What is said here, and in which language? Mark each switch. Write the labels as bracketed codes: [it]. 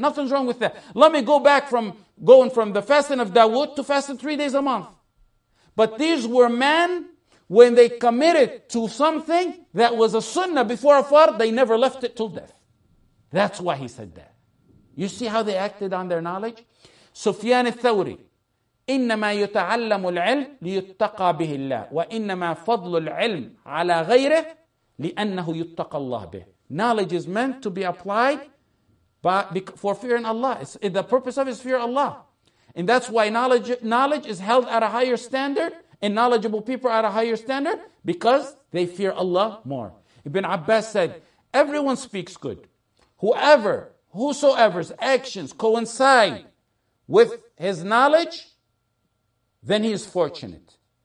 [en] Nothing's wrong with that. Let me go back from going from the fasting of Dawood to fasting 3 days a month. But these were men, when they committed to something that was a sunnah before a fard, they never left it till death. That's why he said that. You see how they acted on their knowledge? Sufyan al-Thawri. [ar] إنما يتعلم العلم ليتقى به الله وإنما فضل العلم على غيره لأنه يتقى الله به. [en] Knowledge is meant to be applied for fear in Allah. The purpose of it is fear Allah. And that's why knowledge is held at a higher standard and knowledgeable people at a higher standard because they fear Allah more. Ibn Abbas said, everyone speaks good. Whosoever's actions coincide with his knowledge, then he is fortunate.